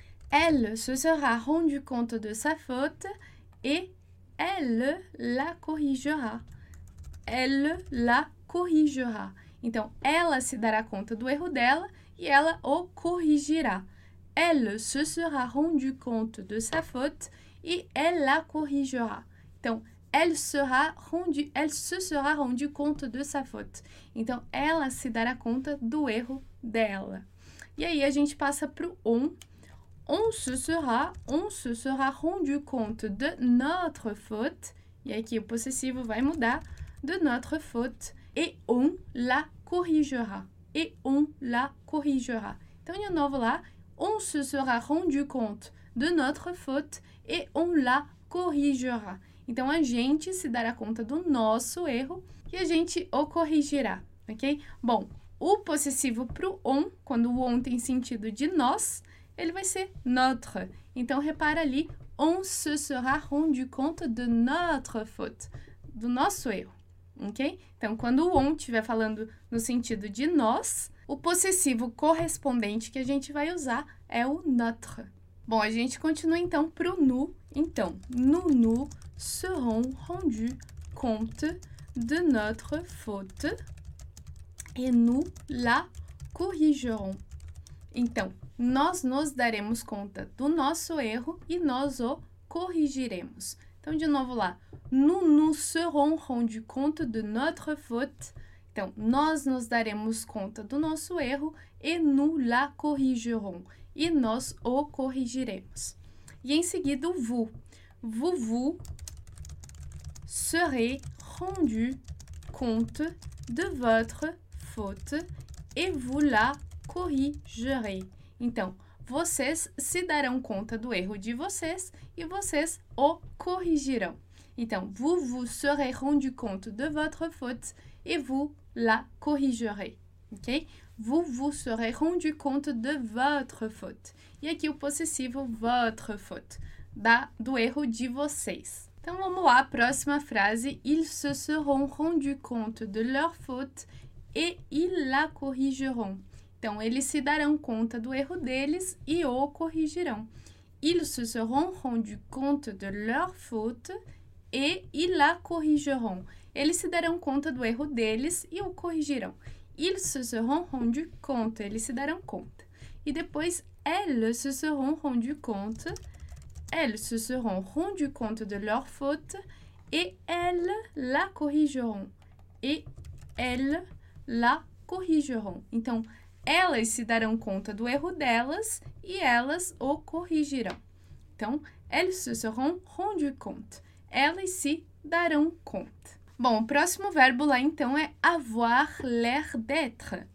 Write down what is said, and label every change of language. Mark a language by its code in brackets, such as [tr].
[fr] Elle se sera rendu compte de sa faute et elle la corrigera. Elle la corrigera. [pt] Então, ela se dará conta do erro dela e ela o corrigirá. [fr] Elle se sera rendu compte de sa faute et elle la corrigera. Então, elle se sera rendu compte de sa faute. [pt] Então, ela se dará conta do erro dela. E aí, a gente passa para o on. [fr] On se sera rendu compte de notre faute. [pt] E aqui, o possessivo vai mudar. [fr] De notre faute et on la corrigera. Et on la corrigera. [pt] Então, de novo lá, [fr] on se sera rendu compte de notre faute et on la corrigera. [pt] Então, a gente se dará conta do nosso erro e a gente o corrigirá, ok? Bom, o possessivo para o on, quando o on tem sentido de nós, ele vai ser notre. Então, repara ali, [fr] on se sera rendu compte de notre faute, [pt] do nosso erro. [fr] Okay? [pt] Então, quando o on estiver falando no sentido de nós, o possessivo correspondente que a gente vai usar é o notre. Bom, a gente continua então para o nous. [fr] Então, nous nous serons rendus compte de notre faute et nous la corrigerons. [pt] Então, nós nos daremos conta do nosso erro e nós o corrigiremos. Então, de novo lá. [fr] Nous nous serons rendus compte de notre faute. [pt] Então, nós nos daremos conta do nosso erro e [fr] nous la corrigerons. [pt] E nós o corrigiremos. E em seguida, vous. [fr] Vous serez rendu compte de votre faute et vous la corrigerez. [pt] Então, vocês se darão conta do erro de vocês e vocês o corrigirão. [fr] Então, vous serez rendu compte de votre faute et vous la corrigerez. Ok? Vous serez rendu compte de votre faute. [pt] E aqui o possessivo, [fr] votre faute. [pt] Do erro de vocês. Então, vamos lá, próxima frase. [fr] Ils se seront rendu compte de leur faute et ils la corrigeront. [pt] Então, eles se darão conta do erro deles e o corrigirão. [fr] Ils se seront rendu compte de leur faute et ils la corrigeront. [pt] Eles se darão conta do erro deles e o corrigirão. [fr] Ils se seront rendu compte. [pt] Eles se darão conta. E depois, [fr] elles se seront rendu compte. Elles se seront rendu compte de leur faute et elles la corrigeront. Et elles la corrigeront. [pt] Então, elas se darão conta do erro delas e elas o corrigirão. Então, [fr] elles se seront rendu compte. [pt] Elas se darão conta. Bom, o próximo verbo lá, então, é avoir l'air d'être.